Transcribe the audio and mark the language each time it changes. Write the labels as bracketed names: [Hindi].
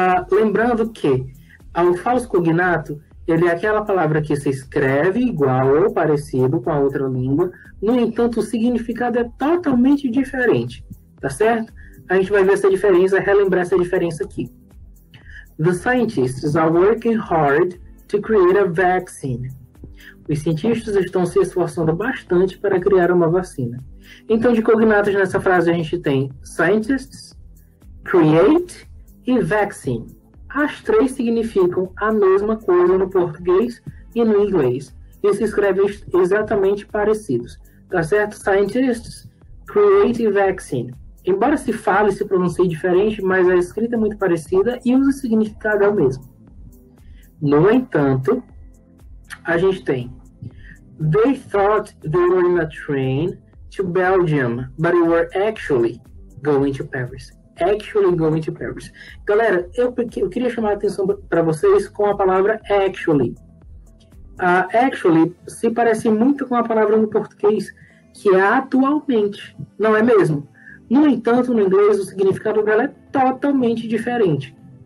[Portuguese] Lembrando que o falso cognato, ele é aquela palavra que se escreve igual ou parecido com a outra língua, no entanto, o significado é totalmente diferente, tá certo? A gente vai ver essa diferença, relembrar essa diferença aqui. [English] The scientists are working hard to create a vaccine. [Portuguese] Os cientistas estão se esforçando bastante para criar uma vacina. Então, de cognatos nessa frase, a gente tem scientists, create e vaccine. As três significam a mesma coisa no português e no inglês. E se escrevem exatamente parecidos. Tá certo? Scientists, create e vaccine. Embora se fale e se pronuncie diferente, mas a escrita é muito parecida e o significado é o mesmo. No entanto, a gente tem: [English] they thought they were in a train to Belgium, but they were actually going to Paris. Actually going to Paris. [Portuguese] Galera, eu queria chamar a atenção para vocês com a palavra actually. Actually se parece muito com a palavra no português, que é atualmente, não é mesmo? No entanto, no inglês, o significado dela é totalmente diferente.